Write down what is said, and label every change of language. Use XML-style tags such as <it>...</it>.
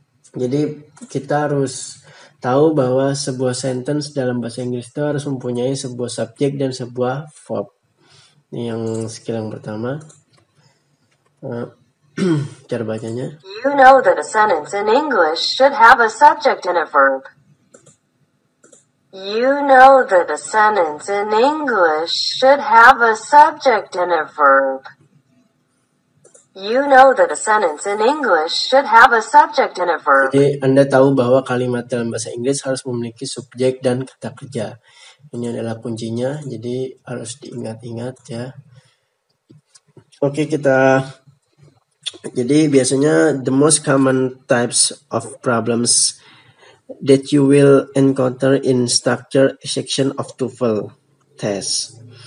<id>Jadi kita harus tahu bahwa sebuah sentence dalam bahasa Inggris itu harus mempunyai sebuah subjek dan sebuah verb. Ini yang skill yang pertama. Cara bacanya.</id> <en>You know that a sentence in English should have a subject and a verb. You know that a sentence in English should have a subject and a verb. You know that a sentence in English should have a subject and a verb.</en> <id>Jadi Anda tahu bahwa kalimat dalam bahasa Inggris harus memiliki subjek dan kata kerja. Ini adalah kuncinya, jadi harus diingat-ingat ya. Oke, kita jadi biasanya</id> <en>the most common types of problems that you will encounter in structure section of TOEFL test.</en>